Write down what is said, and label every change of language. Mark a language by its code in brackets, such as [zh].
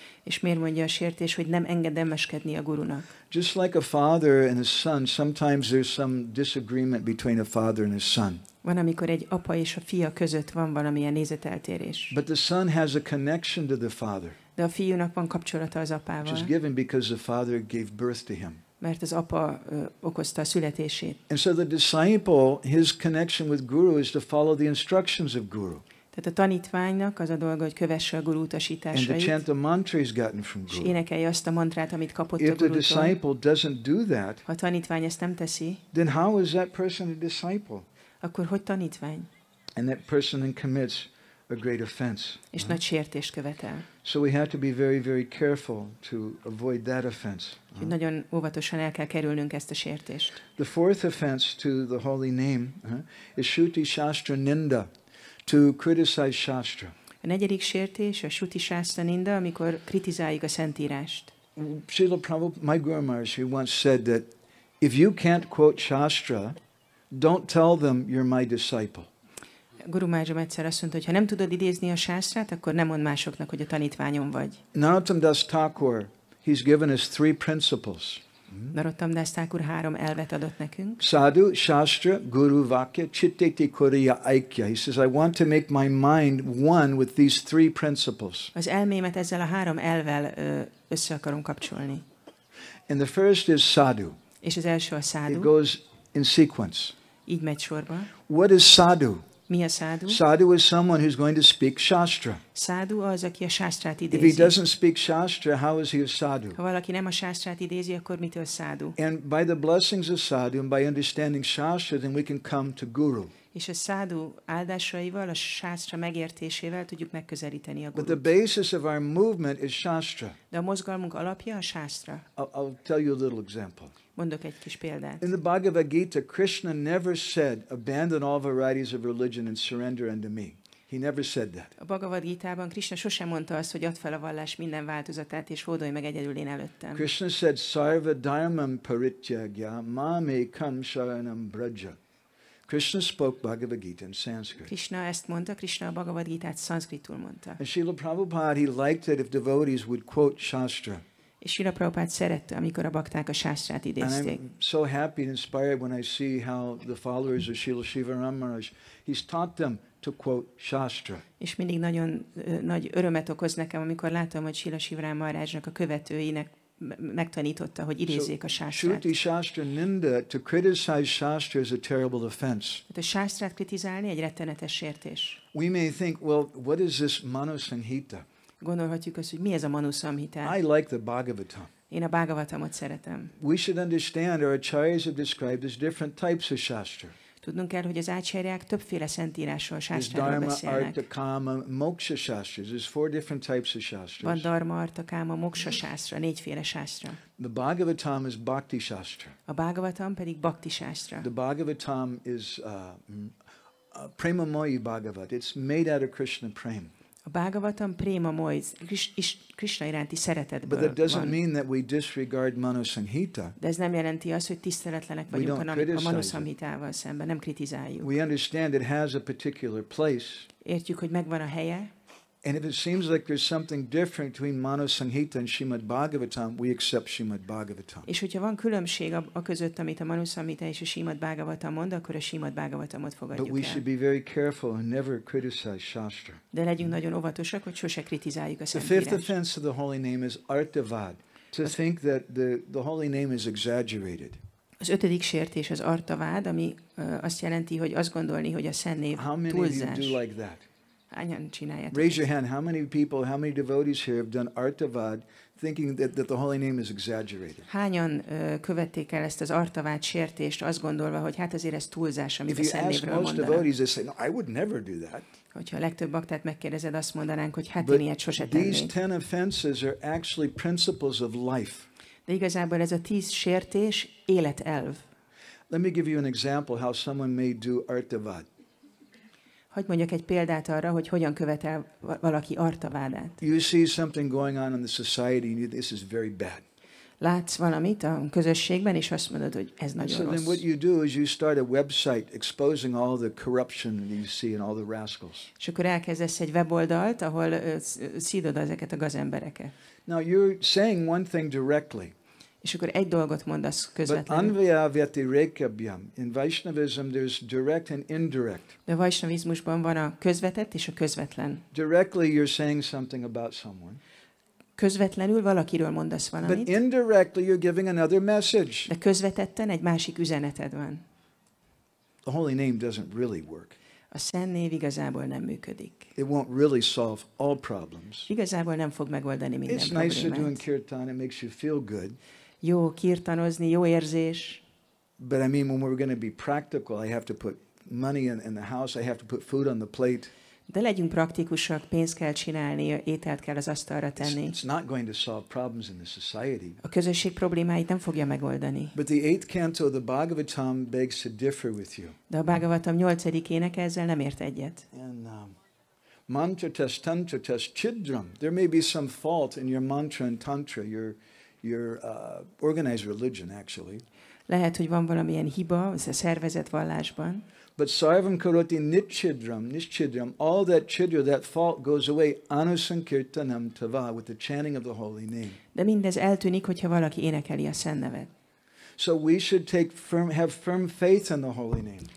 [hu] És miért mondja a sértés, hogy nem engedelmeskedni a gurunak? [en] Just like a father and a son, sometimes there's some disagreement between a father and his son. [hu] Van, amikor egy apa és a fia között van valamilyen nézeteltérés. [en] But the son has a connection to the father. [hu] De a fiúnak van kapcsolata az apával. [en] Which is given because the father gave birth to him. [hu] Mert az apa okozta a születését. [en] And so the disciple, his connection with guru is to follow the instructions of guru. [hu] Tehát a tanítványnak az a dolga, hogy kövesse a guru utasításait. [en] And to chant the mantra he's gotten from guru. [hu] És énekelje azt a mantrát, amit kapott a gurútól. [en] If the disciple doesn't do that, [hu] ha a tanítvány ezt nem teszi, [en] then how is that person a disciple? [hu] Akkor hogy tanítvány? [en] And that person then commits a great offense. [hu] És nagy sértést követel. [en] So we have to be very, very careful to avoid that offense. [hu] Úgy nagyon óvatosan el kell kerülnünk ezt a sértést. [en] The fourth offense to the holy name is Shruti Shastra Ninda, to criticize Shastra. [hu] A negyedik sértés a Shruti Shastra Ninda, amikor kritizáljuk a Szentírást. [en] Srila Prabhupada, my Guru Maharaj, he once said that if you can't quote Shastra, don't tell them you're my disciple. [hu] Guru Mahajam egyszer azt mondta, hogy ha nem tudod idézni a sászrát, akkor nem mond másoknak, hogy a tanítványom vagy. [en] Narottam Das Thakur, he's given us three principles. [hu] Narottam Das Thakur három elvet adott nekünk. [bn] Sadhu, sastra, guru, vakya, chitte te kuriya aikya. [en] He says, I want to make my mind one with these three principles. [hu] Az elmémet ezzel a három elvel össze akarom kapcsolni. [en] And the first is sadhu. [hu] És az első a sadhu. [en] It goes in sequence. [hu] Így megy sorba. [en] What is sadhu? [hu] Mi a sadhu? [en] Sadhu is someone who's going to speak shastra. [hu] Sadhu az, aki a sástrát idézi. [en] If he doesn't speak shastra, how is he a sadhu? [hu] Ha valaki nem a sástrát idézi, akkor mitől sadhu? [en] And by the blessings of sadhu and by understanding shastra, then we can come to guru. [hu] És a sadhu áldásaival, a sástra megértésével tudjuk megközelíteni a gurut. [en] But the basis of our movement is shastra. [hu] De a mozgalmunk alapja a sástra. [en] I'll tell you a little example. [hu] Mondok egy kis példát. [en] In the Bhagavad Gita, Krishna never said, abandon all varieties of religion and surrender unto me. He never said that. [hu] A Bhagavad Gita-ban Krishna sosem mondta azt, hogy add fel a vallás minden változatát, és hódolj meg egyedül én előttem. [en] Krishna said, [sa] sarva dharmam parityagya, mam ekam sharanam braja. [en] Krishna spoke Bhagavad Gita in Sanskrit. [hu] Krishna ezt mondta, Krishna a Bhagavad Gita-t szanszkritul mondta. [en] And Srila Prabhupada, he liked it if devotees would quote shastra. [hu] És Srila Prabhupada szerette, amikor a bakták a sástrát idézték. [en] And I'm so happy and inspired when I see how the followers of Srila Sivarama Maharaj, he's taught them to quote shastra. [hu] És mindig nagyon nagy örömet okoz nekem, amikor látom, hogy Srila Sivarama Maharajnak a követőinek megtanította, hogy idézzék a sástrát. [en] Shruti shastra ninda, to criticize shastra is a terrible offense. [hu] Tehát a sástrát kritizálni egy rettenetes sértés. [en] We may think, well, what is this manusanhita? [hu] Gondolhatjuk azt, hogy mi ez a manuszamhita. [en] I like the Bhagavatam. [hu] Én a Bhagavatamot szeretem. [en] We should understand our acharyas have described as different types of shastra. [hu] Tudnunk kell, hogy az ácsárják többféle szentírásról, sástráról beszélnek. [en] Dharma, arta, kama, moksha shastras. There's four different types of shastras. [hu] Van dharma, arta, kama, moksha shastra, négyféle shastra. [en] The Bhagavatam is bhakti shastra. [hu] A Bhagavatam pedig bhakti shastra. [en] The Bhagavatam is premamoyi Bhagavat. It's made out of Krishna prema. [hu] A Bhagavatam prema moly, Krishna iránti szeretetből. [en] But that doesn't mean that we disregard manusamhita. [hu] De ez nem jelenti azt, hogy tiszteletlenek vagyunk a manusamhitával szemben, nem kritizáljuk. [en] We understand it has a particular place. [hu] Értjük, hogy megvan a helye. [en] And if it seems like there's something different between manusamhita and Srimad Bhagavatam, we accept Srimad Bhagavatam. [hu] És hogyha van különbség a között, amit a manusamhita és a Srimad Bhagavatam mond, akkor a Srimad Bhagavatamot fogadjuk el. [en] But we should be very careful and never criticize Shastra. [hu] De legyünk nagyon óvatosak, hogy sose kritizáljuk a Szentírást. [en] The fifth offense of the holy name is artavad, to think that the holy name is exaggerated. [hu] Az ötödik sértés az artavád, ami azt jelenti, hogy azt gondolni, hogy a szent név túlzás. [en] How many of you do like that? Raise your hand. How many people, how many devotees here have done artavad, thinking that the holy name is exaggerated? [hu] Hányan követték el ezt az artavád sértést, azt gondolva, hogy hát azért ez túlzás, amit a szent névről mondanak. [en] If you ask most devotees, they say, no, I would never do that. [hu] Hogyha a legtöbb baktát megkérdezed, azt mondanánk, hogy hát én ilyet sose tennék. [en] These 10 offenses are actually principles of life. [hu] De igazából ez a 10 sértés életelv. [en] Let me give you an example how someone may do artavad. [hu] Hogy mondjak egy példát arra, hogy hogyan követel valaki artavádát. [en] You see something going on in the society and this is very bad. [hu] Látsz valamit a közösségben és azt mondod, hogy ez nagyon rossz. [en] So then what you do is you start a website exposing all the corruption that you see and all the rascals. [hu] És akkor elkezdesz egy weboldalt, ahol szídod ezeket a gazembereket. [en] Now you're saying one thing directly. [hu] És akkor egy dolgot mondasz közvetlenül. [en] But [sa] anvaya vyatirekabhyam. [en] In Vaishnavism there's direct and indirect. [hu] De a vaishnavizmusban van a közvetett és a közvetlen. [en] Directly you're saying something about someone. [hu] közvetlenül valakiről mondasz valamit. [en] But indirectly you're giving another message. [hu] De közvetetten egy másik üzeneted van. [en] The holy name doesn't really work. [hu] A szent név igazából nem működik. [en] It won't really solve all problems. [hu] Igazából nem fog megoldani minden [en] It's [hu] problémát. [en] It's nice to do in kirtan, it makes you feel good. [hu] Jó kirtanozni, jó érzés. [en] But I mean, when we're going to be practical, I have to put money in the house, I have to put food on the plate. [hu] De legyünk praktikusak, pénzt kell csinálni, ételt kell az asztalra tenni. [en] It's not going to solve problems in the society. [hu] A közösség problémáit nem fogja megoldani. [en] But the eighth canto of the Bhagavatam begs to differ with you. [hu] De a Bhagavatam 8. éneke ezzel nem ért egyet. [sa] And, mantra test tantra test chidram. [en] There may be some fault in your mantra and tantra, your organized religion actually. [hu] Lehet, hogy van valamilyen hiba a szervezet vallásban. [en] But [sa] sarvam karoti nichidram, nichidram, [en] all that chidra, that fault goes away [sa] anusankirtanam tava, [en] with the chanting of the holy name. [hu] De mindez eltűnik, hogyha valaki énekeli a szent nevet. [en] So we should take firm, have firm faith in the holy name.